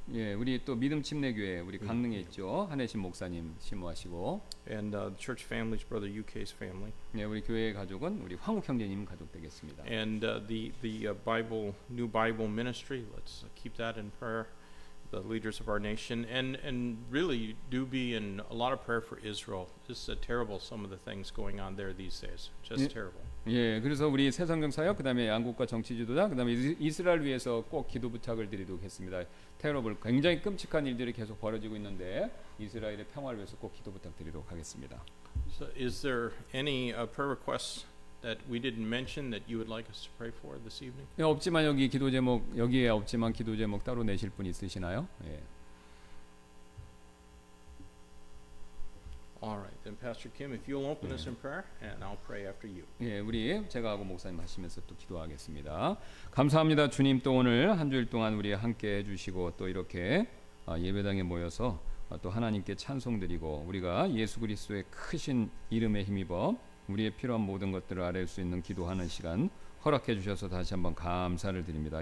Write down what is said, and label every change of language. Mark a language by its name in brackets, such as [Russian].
[Korean] 예, 우리 또 믿음 침례교회 우리 강릉에 있죠. 한혜신 목사님 신모하시고. [English] And the church family's brother UK's family. [Korean] 예, 우리 교회 가족은 우리 황욱 형제님 가족 되겠습니다. [English] And the Bible New Bible Ministry. Let's keep that in prayer. The leaders of our nation and really do be in a lot of prayer for Israel. This is a terrible some of the things going on there these days. Just 예, terrible. [Korean] 예, 그래서 우리 세상경 사역 그다음에 양국과 정치 지도자 그다음에 이스라엘 위해서 꼭 기도 부탁을 드리도록 했습니다. 테러블 굉장히 끔찍한 일들이 계속 벌어지고 있는데 이스라엘의 평화를 위해서 꼭 기도 부탁드리도록 하겠습니다. [English] So is there any prayer requests that we didn't mention that you would like us to pray for this evening? [Korean] 예, 없지만 여기 기도 제목 여기에 없지만 기도 제목 따로 내실 분 있으시나요? 예. [English] All right. Then Pastor Kim, if you'll open 예. us in prayer and I'll pray after you. [Korean] 예, 우리 제가 하고 목사님 하시면서 또 기도하겠습니다. 감사합니다. 주님 또 오늘 한 주일 동안 우리 함께 해 주시고 또 이렇게 예배당에 모여서 또 하나님께 찬송드리고 우리가 예수 그리스도의 크신 이름에 힘입어 우리의 필요한 모든 것들을 아뢰 수 있는 기도하는 시간 허락해 주셔서 다시 한번 감사를 드립니다.